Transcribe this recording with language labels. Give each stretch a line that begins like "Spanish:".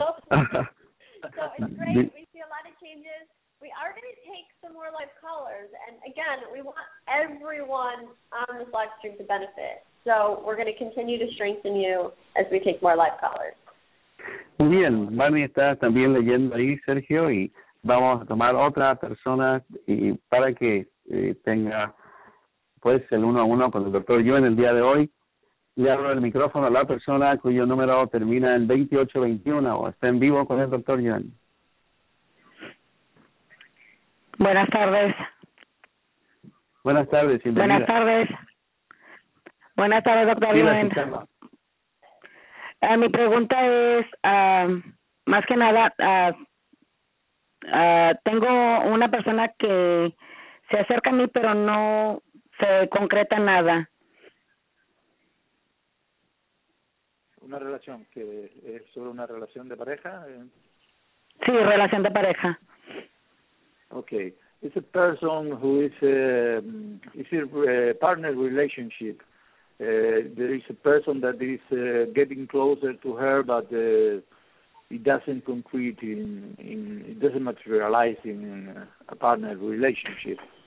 English: So it's great. We see a lot of changes. We are going to take some more live callers. And again, we want everyone on this live stream to benefit. So we're going to continue to strengthen you as we take more live callers.
Spanish: Bien, Manny está también leyendo ahí, Sergio, y vamos a tomar otra persona y para que tenga, pues, el uno a uno con el doctor. Yo en el día de hoy le abro el micrófono a la persona cuyo número termina en 2821 o está en vivo con el doctor Yuan. Buenas tardes. Buenas tardes, bienvenida. Buenas tardes. Buenas tardes, doctor Yuan. Mi pregunta es, más que nada, tengo una persona que se acerca a mí, pero no se concreta nada. ¿Una relación que es solo una relación de pareja? Sí, relación de pareja.
English: Okay. It's a person who is a partner relationship. There is a person that is getting closer to her, but it doesn't concrete in it doesn't materialize in a partner relationship.